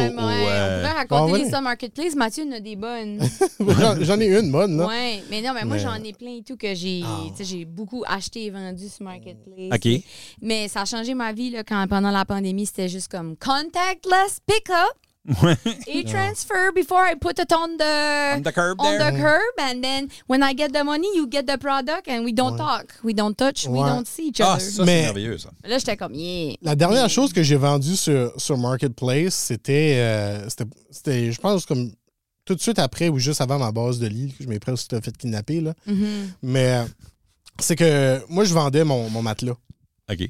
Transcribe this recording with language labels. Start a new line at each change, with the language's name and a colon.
French: On pourrait raconter ça Marketplace. Mathieu, il en a des bonnes. j'en ai une bonne, là. Ouais. Mais non, mais moi, j'en ai plein et tout que j'ai. Oh. Tu sais, j'ai beaucoup acheté et vendu sur Marketplace. OK. Mais ça a changé ma vie, là, quand pendant la pandémie, c'était juste comme
English: contactless pickup.
French: Ouais.
English: Et transfer before I put it on the curb. And then when I get the money, you get the product and we don't talk. We don't touch.
French: Ouais.
English: We don't see each other.
French: Ah, ça, mais c'est merveilleux, ça. Là, j'étais comme,
English: yeah.
French: La dernière chose que j'ai vendue sur Marketplace, c'était, je pense, comme tout de suite après ou juste avant ma base de lit, je m'ai presque fait kidnapper, là. Mm-hmm. Mais c'est que moi, je vendais mon matelas. OK.